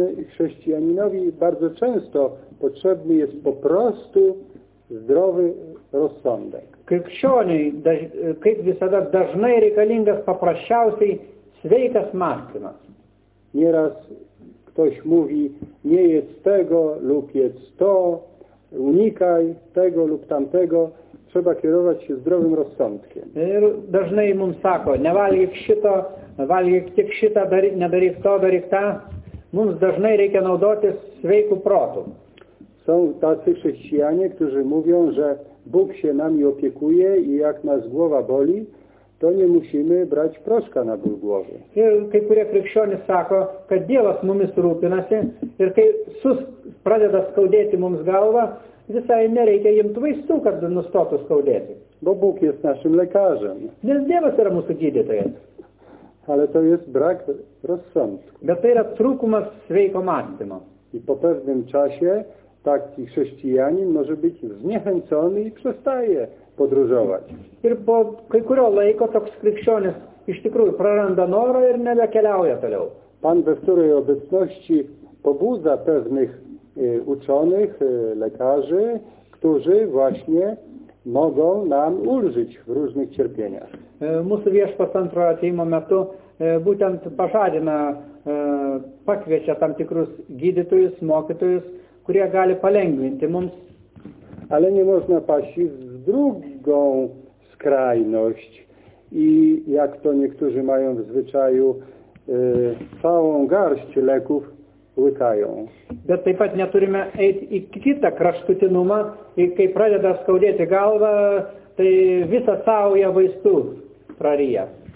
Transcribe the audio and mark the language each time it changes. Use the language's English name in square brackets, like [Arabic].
[Polish] Chrześcijaninowi bardzo często potrzebny jest po prostu zdrowy rozsądek. [Lithuanian] Krikščioniui, kaip visada, dažnai reikalingas paprasčiausiai sveikas mąstymas. [Polish] Nieraz ktoś mówi, nie jedz tego lub jedz to, unikaj tego lub tamtego, trzeba kierować się zdrowym rozsądkiem. [Lithuanian] Ir dažnai mums sako, nevalgyk šito, valgyk tik šitą, nedaryk to, daryk tą. Mums dažnai reikia naudotis sveiku protu. [Polish] Są tacy chrześcijanie, którzy mówią, że Bóg się nami opiekuje i jak nas głowa boli, to nie musimy brać proszka na ból głowy. [Lithuanian] Ir kai kurie krikščionys sako, kad Dievas mumis rūpinasi ir kai pradeda skaudėti mums galvą, visai nereikia imti vaistų, kad nustotų skaudėti. [Polish] Bo Bóg jest naszym lekarzem. [Lithuanian] Nes Dievas yra mūsų gydytojas. [Polish] Ale to jest brak rozsądku. [Lithuanian] Bet tai yra trūkumas sveiko mąstymo. [Polish] I po pewnym czasie taki chrześcijanin może być zniechęcony i przestaje podróżować. [Lithuanian] Ir po kai kurio laiko toks krikščionis iš tikrųjų praranda norą ir nebekeliauja toliau. [Polish] Pan we wtórej obecności pobudza pewnych uczonych, lekarzy, którzy właśnie mogą nam ulżyć w różnych cierpieniach. [Lithuanian] Mūsų viešpas antrojo ateimo metu būtent pažadina, pakviečia tam tikrus gydytojus, mokytojus, kurie gali palengvinti mums. [Polish] Ale nie można paść w drugą skrajność i jak to niektórzy mają w zwyczaju, całą garść leków łykają. [Lithuanian] Bet taip pat neturime eiti į kitą kraštutinumą ir kai pradeda skaudėti galvą, tai visą savo vaistų praryja.